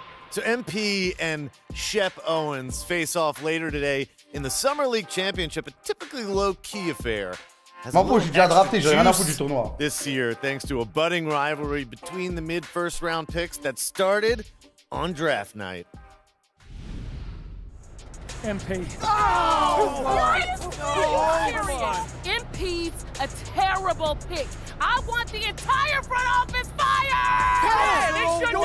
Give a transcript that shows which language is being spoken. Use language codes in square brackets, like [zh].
[en] So MP and Shep Owens face off later today in the Summer League Championship, a typically low-key affair. [fr] Bon, bro, j'ai déjà drafté, j'ai rien à foutre du tournoi. [en] This year, thanks to a budding rivalry between the mid-first round picks that started on draft night. MP. Oh! MP's a terrible pick. I want the entire front office fired!